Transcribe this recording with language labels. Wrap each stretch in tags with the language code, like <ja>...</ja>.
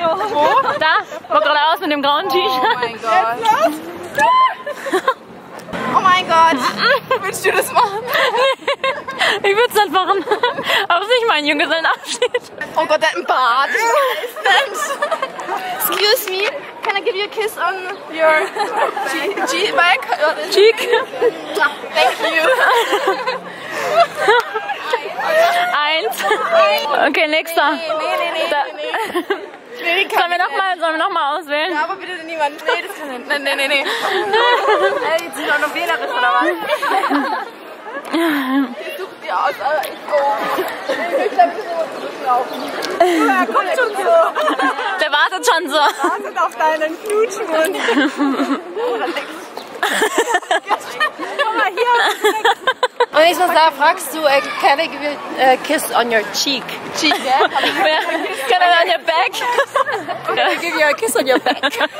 <de>Wo? Da. Guck gerade aus mit dem grauen T-Shirt. Oh mein Gott. Oh mein Gott. Willst du das machen? Nee. Ich würde es nicht machen. Aber es ist nicht mein Junggesellenabschied. Oh Gott, der hat einen Bart.</de> <en>Excuse me. Can I give you a kiss on your cheek? Thank you.</en> <de>Eins. Okay, nächster. Nee. Sollen wir nochmal auswählen? Ja, aber bitte niemand. Nee, das kann nicht. Nee. Ey, jetzt sind auch noch wählerisch, oder was? Ich suche dir aus, aber ich gehe. Ich glaube, ich muss zurücklaufen. Oh ja, kommt schon so. Der wartet schon so. Wartet auf deinen Knutschmund. Oder Guck mal, hier. Und ich muss sagen, fragst du,</de> <en>can I give a kiss on your cheek? Cheek, ja? Yeah? Can I give you on your back? Can I give you a kiss on your back?</en>